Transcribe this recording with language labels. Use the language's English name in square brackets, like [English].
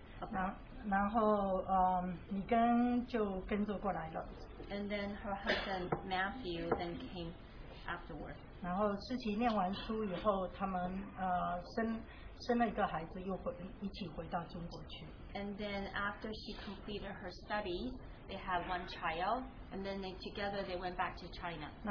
[English] And then her husband Matthew then came afterward. [Chinese] 然后思琪念完书以后，他们生了一个孩子，又一起回到中国去。 [English] And then after she completed her studies, they had one child, and then together they went back to China.